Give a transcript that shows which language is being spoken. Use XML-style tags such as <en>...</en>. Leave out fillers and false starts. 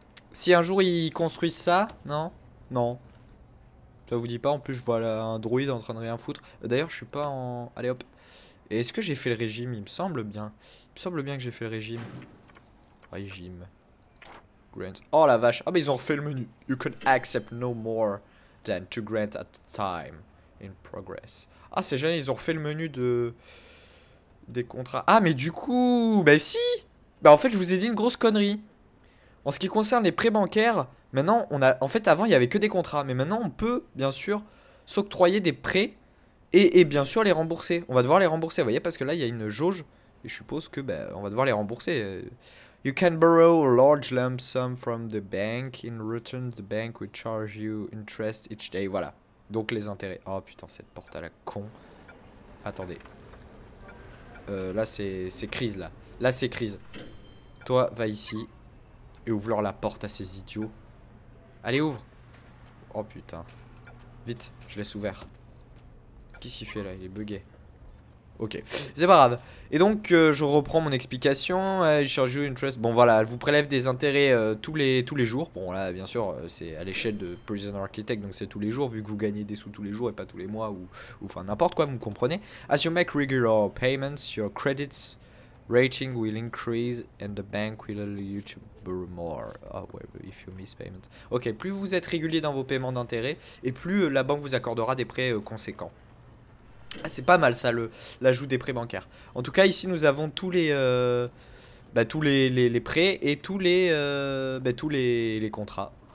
<fr>Si un jour ils construisent ça, non? Non. Ça vous dit pas, en plus je vois là, un droïde en train de rien foutre. D'ailleurs je suis pas en... Allez hop. Et est-ce que j'ai fait le régime? Il me semble bien. Il me semble bien que j'ai fait le régime. Régime. Grant. Oh la vache. Ah, oh, mais ils ont refait le menu.</fr> <en>You can accept no more than two grants at a time in progress.</en> <fr>Ah, c'est génial. Ils ont refait le menu de. Des contrats. Ah, mais du coup. Bah, si! Bah, en fait, je vous ai dit une grosse connerie. En ce qui concerne les prêts bancaires, maintenant, on a. En fait, avant, il n'y avait que des contrats. Mais maintenant, on peut, bien sûr, s'octroyer des prêts. Et bien sûr, les rembourser. On va devoir les rembourser. Vous voyez, parce que là, il y a une jauge. Et je suppose que, bah, on va devoir les rembourser.</fr> <en>You can borrow a large lump sum from the bank. In return, the bank will charge you interest each day.</en> <fr>Voilà. Donc, les intérêts. Oh putain, cette porte à la con. Attendez. Là, c'est crise, là. Là, c'est crise. Toi, va ici. Et ouvre-leur la porte à ces idiots. Allez, ouvre. Oh putain. Vite, je laisse ouvert. Qu'est-ce qu'il fait, là? Il est bugué. Ok. C'est pas grave. Et donc, je reprends mon explication. Elle</fr> <en>charge you interest.</en> <fr>Bon, voilà. Elle vous prélève des intérêts tous les jours. Bon, là, bien sûr, c'est à l'échelle de Prison Architect. Donc, c'est tous les jours. Vu que vous gagnez des sous tous les jours et pas tous les mois. Ou enfin, n'importe quoi, vous comprenez.</fr> <en>As you make regular payments, your credit rating will increase. And the bank will allow you to borrow more. Oh, wait, if you miss payment. Ok.</en> <fr>Plus vous êtes régulier dans vos paiements d'intérêts. Et plus la banque vous accordera des prêts conséquents. C'est pas mal ça, l'ajout des prêts bancaires. En tout cas, ici nous avons tous les tous les prêts et tous les tous les contrats.</fr>